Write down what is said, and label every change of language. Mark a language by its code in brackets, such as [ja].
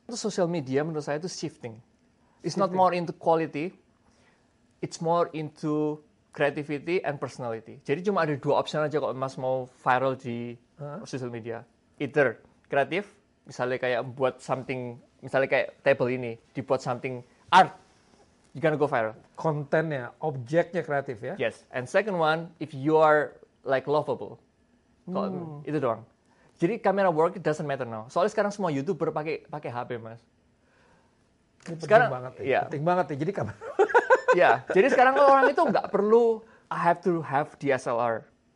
[id] Itu social media menurut saya itu shifting. [en] It's not more into quality, it's more into creativity and personality. [id] Jadi cuma ada 2 option aja kalau Mas mau viral di social media. Either kreatif, misalnya kayak buat something. Misalnya kayak table ini, dibuat something art, [en] you gonna go viral. [id] Kontennya, objeknya kreatif ya? [en] Yes. And second one, if you are like lovable. [id] Itu doang. [en] Jadi camera work doesn't matter now. [id] Soalnya sekarang semua YouTuber pakai HP, Mas. Penting banget ya. Jadi kamera. Jadi sekarang orang itu nggak perlu, [en] I have to have DSLR.